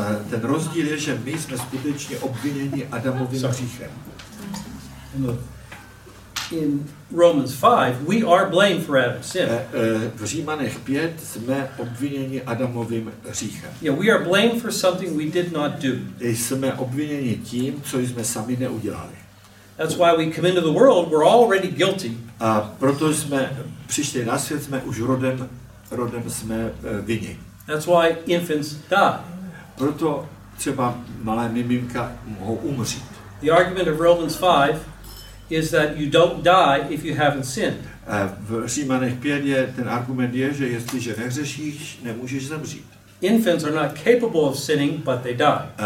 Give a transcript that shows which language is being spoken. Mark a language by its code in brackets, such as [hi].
[cs] Ten rozdíl je, že my jsme skutečně obviněni Adamovým hříchem. [en] In Romans 5, we are blamed for Adam's sin. [cs] V Římanech 5 jsme obviněni Adamovým hříchem. [en] Yeah, we are blamed for something we did not do. [cs] Jsme obviněni tím, co jsme sami neudělali. [en] That's why we come into the world, we're already guilty. [cs] A proto jsme přišli na svět, jsme už rodem jsme vinni. [en] That's why infants die. [cs] Proto třeba malé miminka mohou umřít. [en] The argument of Romans 5 is that you don't die if you haven't sinned. [cs] V Římanech 5 je ten argument je, že jestliže nehřešíš, nemůžeš zemřít. [en] Infants are not capable of sinning, but they die.